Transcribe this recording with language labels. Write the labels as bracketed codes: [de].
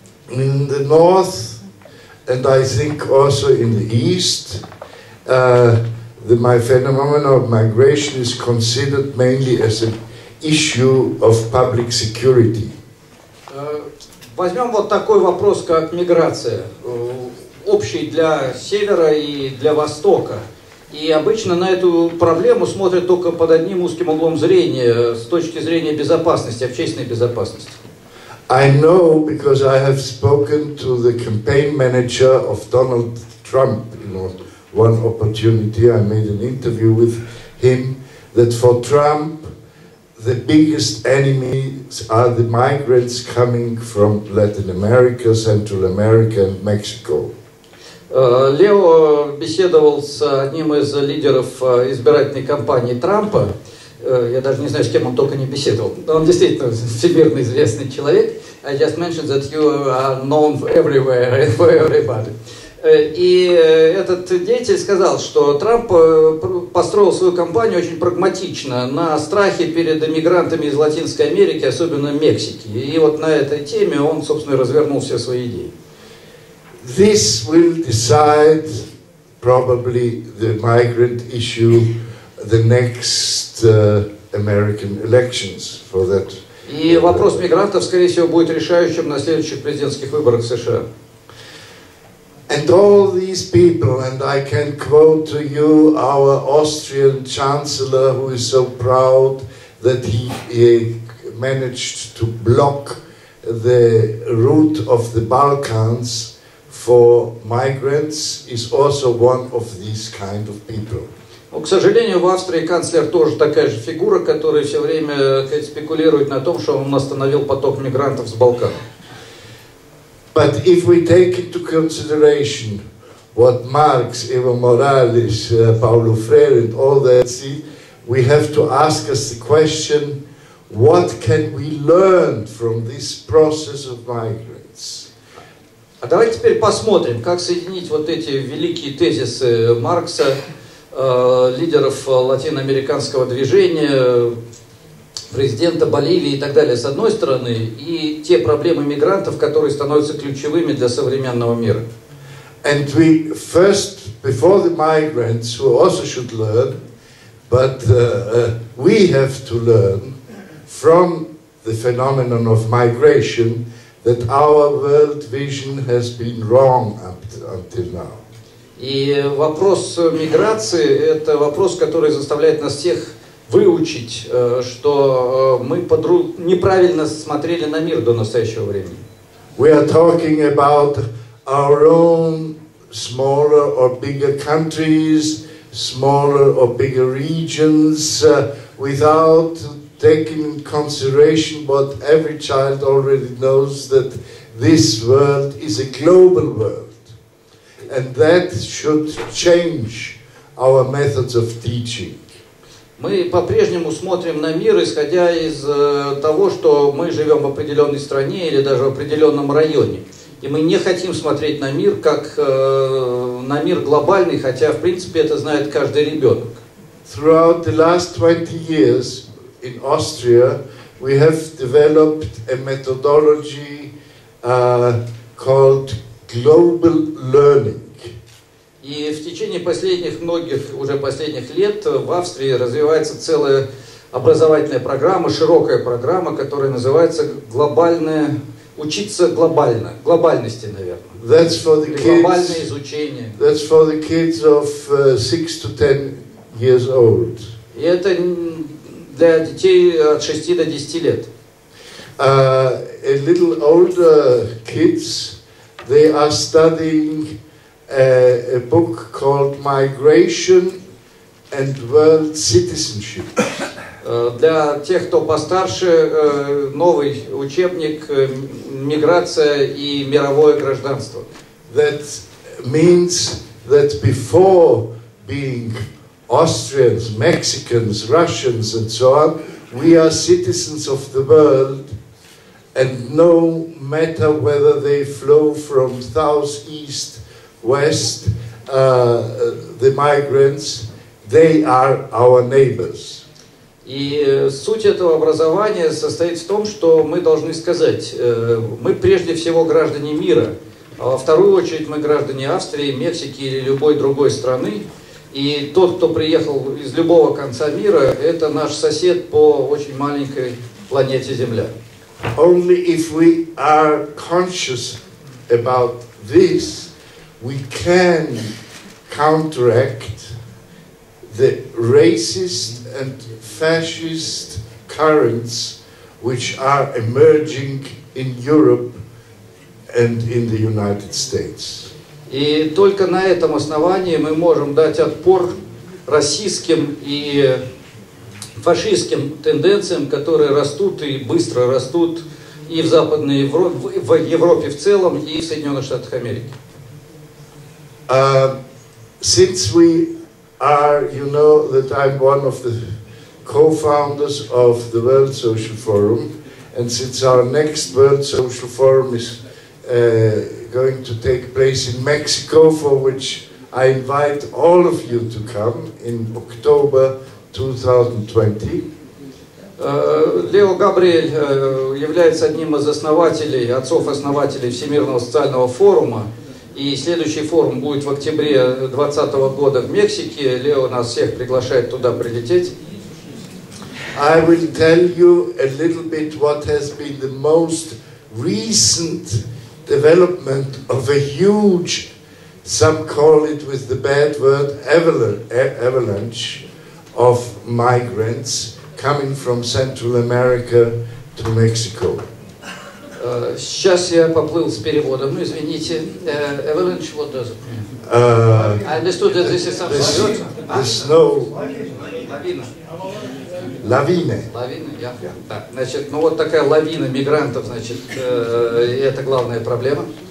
[en] In the north, and I think also in the east, my phenomenon of migration is considered mainly as an issue of public security. [ru] Возьмем вот такой вопрос, как миграция, общий для севера и для востока. И обычно на эту проблему смотрят только под одним узким углом зрения, с точки зрения безопасности, общественной безопасности. [en] I know because I have spoken to the campaign manager of Donald Trump in one opportunity, I made an interview with him, that for Trump, the biggest enemies are the migrants coming from Latin America, Central America and Mexico. [ru] Лео беседовал с одним из лидеров избирательной кампании Трампа. Я даже не знаю, с кем он только не беседовал. Но он действительно всемирно известный человек. [en] I just mentioned that you are known everywhere and for everybody. [ru] И этот деятель сказал, что Трамп построил свою кампанию очень прагматично на страхе перед эмигрантами из Латинской Америки, особенно Мексики. И вот на этой теме он, собственно, развернул все свои идеи. [en] This will decide probably the migrant issue the next American elections for that. [ru] И вопрос мигрантов, скорее всего, будет решающим на следующих президентских выборах США. [en] And all these people, and I can quote to you our Austrian chancellor, who is so proud that he managed to block the route of the Balkans for migrants, is also one of these kind of people. [ru] Но, к сожалению, в Австрии канцлер тоже такая же фигура, которая все время спекулирует на том, что он остановил поток мигрантов с Балкана. [en] But if we take into consideration what Marx, Evo Morales, Paulo Freire and all that, see, we have to ask us the question, what can we learn from this process of migrants? [ru] А давайте теперь посмотрим, как соединить вот эти великие тезисы Маркса, лидеров латиноамериканского движения, президента Боливии и так далее, с одной стороны, и те проблемы мигрантов, которые становятся ключевыми для современного мира. [en] And we first, before the migrants, who also should learn, but we have to learn from the phenomenon of migration that our world vision has been wrong until now. [ru] И вопрос миграции – это вопрос, который заставляет нас всех выучить, что мы неправильно смотрели на мир до настоящего времени. [en] We are talking about our own smaller or bigger countries, smaller or bigger regions, without taking into consideration what every child already knows, that this world is a global world. And that should change our methods of teaching. [ru] Мы по-прежнему смотрим на мир, исходя из того, что мы живем в определенной стране или даже в определенном районе. И мы не хотим смотреть на мир, как на мир глобальный, хотя, в принципе, это знает каждый ребенок. [en] Throughout the last 20 years in Austria, we have developed a methodology called global learning. [ru] И в течение последних многих, уже последних лет в Австрии развивается целая образовательная программа, широкая программа, которая называется глобальное, учиться глобально, глобальности, наверное. [en] That's for the kids, [ru] глобальное изучение. [en] That's for the kids of 6 to 10 years old. [ru] И это для детей от 6 до 10 лет. [en] A little older kids, they are studying a book called Migration and World Citizenship. [ru] Для тех, кто постарше, новый учебник «Миграция и мировое гражданство». [en] That means that before being Austrians, Mexicans, Russians and so on, we are citizens of the world. And no matter whether they flow from South, East, West, the migrants, they are our neighbors. [ru] И суть этого образования состоит в том, что мы должны сказать, мы прежде всего граждане мира, а во вторую очередь мы граждане Австрии, Мексики или любой другой страны, и тот, кто приехал из любого конца мира, это наш сосед по очень маленькой планете Земля. [en] Only if we are conscious about this, we can counteract the racist and fascist currents which are emerging in Europe and in the United States. [ru] И только на этом основании мы можем дать отпор российским и фашистским тенденциям, которые растут и быстро растут и в Западной Европе, в Европе в целом, и в Соединенных Штатах Америки. [en] Since we are, you know, that I'm one of the co-founders of the World Social Forum, and since our next World Social Forum is going to take place in Mexico, for which I invite all of you to come in October 2020. [ru] Лео Габриэль является одним из основателей, отцов-основателей Всемирного социального форума, и следующий форум будет в октябре 2020 года в Мексике. Лео нас всех приглашает туда прилететь. [en] I will tell you a little bit what has been the most recent development of a huge, some call it with the bad word, avalanche of migrants coming from Central America to Mexico. [ru] Сейчас я поплыл с переводом, извините. [en] Avalanche, what does it mean? I understood that this is some sort of... The snow... [ru] Lavina. Лавины. Лавины, я. Так, значит, ну вот такая лавина мигрантов, значит, и это главная проблема.